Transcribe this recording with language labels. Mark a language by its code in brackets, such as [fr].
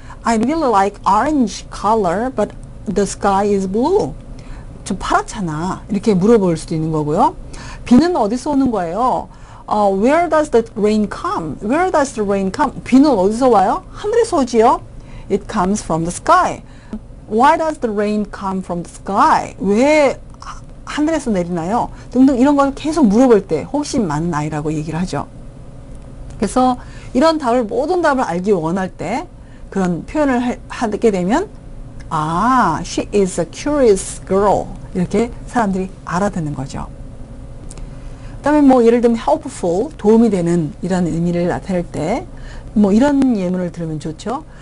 [en] I really like orange color, but the sky is blue. [ko] 좀 파랗잖아. 이렇게 물어볼 수도 있는 거고요. 비는 어디서 오는 거예요? [en] Where does the rain come? Where does the rain come? [ko] 비는 어디서 와요? 하늘에서 오지요? [en] It comes from the sky. Why does the rain come from the sky? [ko] 왜 하늘에서 내리나요? 등등 이런 걸 계속 물어볼 때 호기심 많은 아이라고 얘기를 하죠. 그래서 이런 답을 모든 답을 알기 원할 때 그런 표현을 하게 되면 아, [en] she is a curious girl. [ko] 이렇게 사람들이 알아듣는 거죠. 그 다음에 뭐 예를 들면 helpful, 도움이 되는 이런 의미를 나타낼 때 뭐 이런 예문을 들으면 좋죠.